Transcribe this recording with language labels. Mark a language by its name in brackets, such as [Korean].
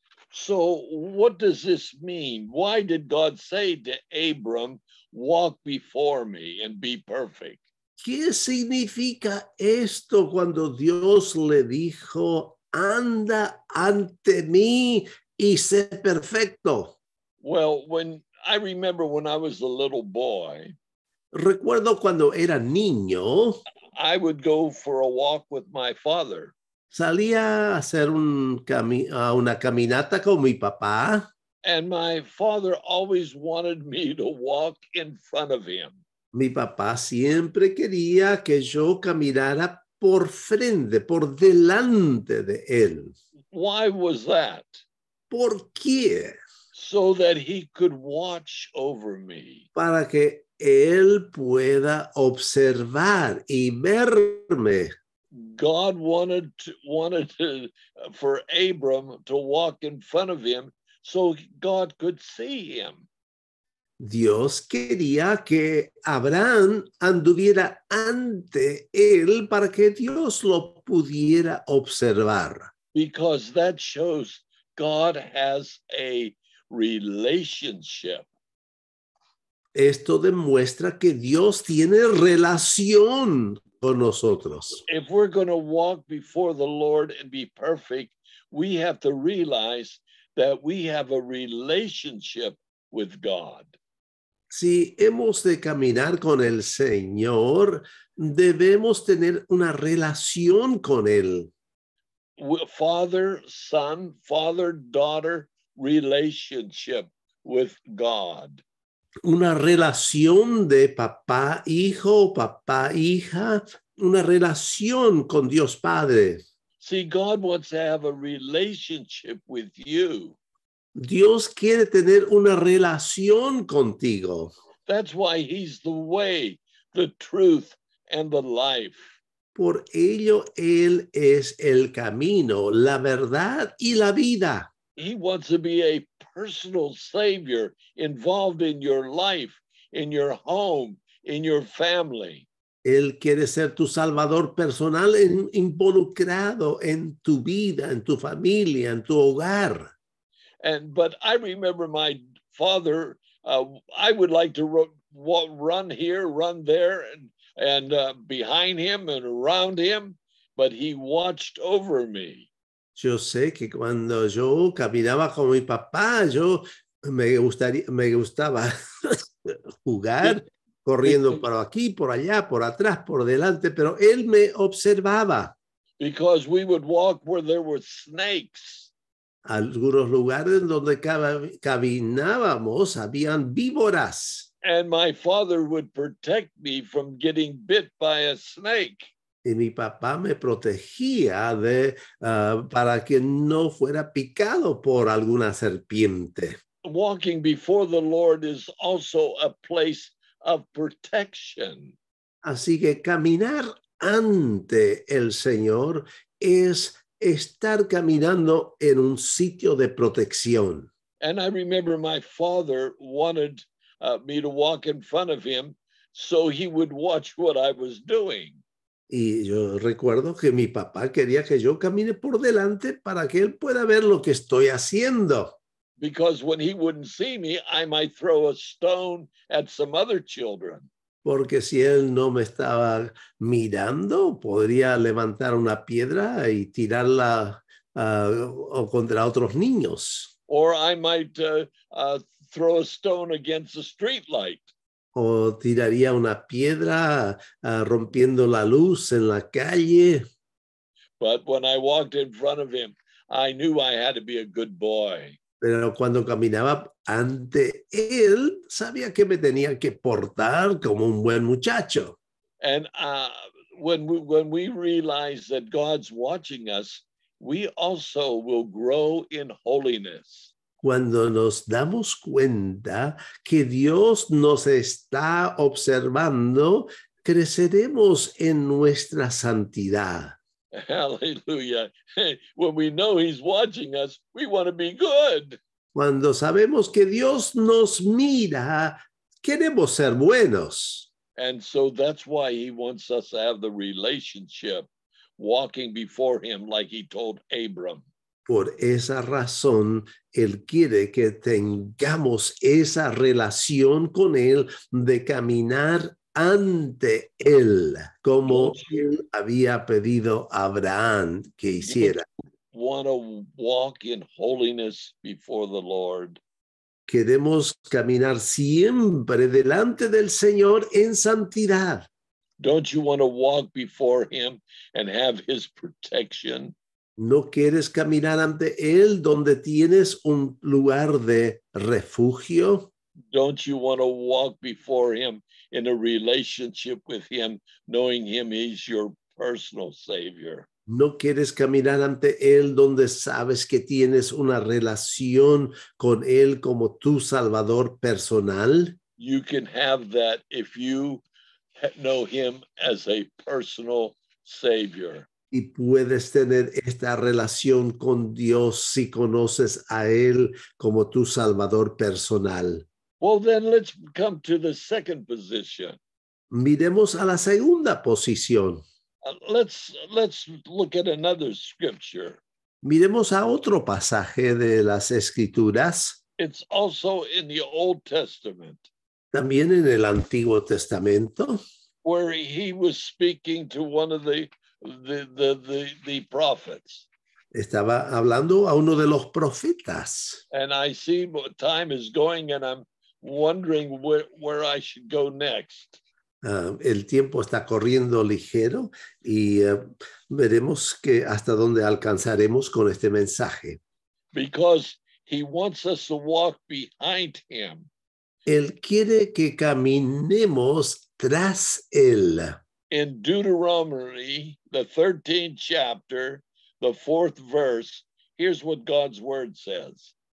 [English] So what does this mean? Why did God say to Abram, walk before me and be perfect? [Spanish] ¿Qué significa esto cuando Dios le dijo, anda ante mí y sé perfecto? [English] Well, I remember when I was a little boy. [Spanish] Recuerdo cuando era niño. [English] I would go for a walk with my father. [Spanish] Salía a hacer una caminata con mi papá. [English] And my father always wanted me to walk in front of him. [Spanish] Mi papá siempre quería que yo caminara por frente, por delante de él. [English] Why was that? [Spanish] ¿Por qué? [English] So that he could watch over me. [Spanish] Para que él pueda observar y verme. [English] God wanted to, for Abram to walk in front of him so God could see him. [Spanish] Dios quería que Abraham anduviera ante él para que Dios lo pudiera observar. [English] Because that shows God has a relationship. [Spanish] Esto demuestra que Dios tiene relación con nosotros. [English] If we're going to walk before the Lord and be perfect, we have to realize that we have a relationship with God. [Spanish] Si hemos de caminar con el Señor, debemos tener una relación con Él. [English] Father, son, father, daughter, relationship with God. [Spanish] Una relación de papá, hijo, papá, hija, una relación con Dios Padre. [English] See, God wants to have a relationship with you. [Spanish] Dios quiere tener una relación contigo. [English] That's why he's the way, the truth, and the life. [Spanish] Por ello, él es el camino, la verdad y la vida. [English] He wants to be a personal savior involved in your life, in your home, in your family. [Spanish] Él quiere ser tu salvador personal involucrado en tu vida, en tu familia, en tu hogar. [English] But I remember my father, I would like to run here, run there, and behind him and around him, but he watched over me. [Spanish] Yo sé que cuando yo caminaba con mi papá, yo me gustaba jugar, corriendo por aquí, por allá, por atrás, por delante, pero él me observaba. [English] Because we would walk where there were snakes. [Spanish] Algunos lugares donde caminábamos habían víboras. [English] And my father would protect me from getting bit by a snake. [Spanish] Y mi papá me protegía para que no fuera picado por alguna serpiente. [English] Walking before the Lord is also a place of protection. [Spanish] Así que caminar ante el Señor es estar caminando en un sitio de protección. [English] And I remember my father wanted me to walk in front of him so he would watch what I was doing. [Spanish] Y yo recuerdo que mi papá quería que yo camine por delante para que él pueda ver lo que estoy haciendo. [English] Because when he wouldn't see me, I might throw a stone at some other children. [Spanish] Porque si él no me estaba mirando, podría levantar una piedra y tirarla contra otros niños. [English] Or I might throw a stone against the street light. [Spanish] O tiraría una piedra rompiendo la luz en la calle. [English] But when I walked in front of him, I knew I had to be a good boy. [Spanish] Pero cuando caminaba ante él, sabía que me tenía que portar como un buen muchacho. [English] And when we realize that God's watching us, we also will grow in holiness. [Spanish] Cuando nos damos cuenta que Dios nos está observando, creceremos en nuestra santidad. [English] Hallelujah. When we know he's watching us, we want to be good. [Spanish] Cuando sabemos que Dios nos mira, queremos ser buenos. [English] And so that's why he wants us to have the relationship walking before him like he told Abram. [Spanish] Por esa razón, él quiere que tengamos esa relación con él de caminar ante él, como él había pedido a Abraham que hiciera. [English] Want to walk in holiness before the Lord. [Spanish] Queremos caminar siempre delante del Señor en santidad. [English] Don't you want to walk before him and have his protection? [Spanish] ¿No quieres caminar ante él donde tienes un lugar de refugio? [English] Don't you want to walk before him in a relationship with him, knowing him is your personal savior? [Spanish] ¿No quieres caminar ante él donde sabes que tienes una relación con él como tu salvador personal? [English] You can have that if you know him as a personal savior. [Spanish] Y puedes tener esta relación con Dios si conoces a él como tu salvador personal. [English] Well, then let's come to the second position. [Spanish] Miremos a la segunda posición. [English] Let's look at another scripture. [Spanish] Miremos a otro pasaje de las Escrituras. [English] It's also in the Old Testament. [Spanish] También en el Antiguo Testamento. [English] Where he was speaking to one of the prophets. [Spanish] Estaba hablando a uno de los profetas. [English] And I see time is going and I'm wondering where I should go next. [Spanish] El tiempo está corriendo ligero y veremos que hasta dónde alcanzaremos con este mensaje. [English] Because he wants us to walk behind him. [Spanish] Él quiere que caminemos tras él. [English] In Deuteronomy, the 13th chapter, the 4th verse, here's what God's word says.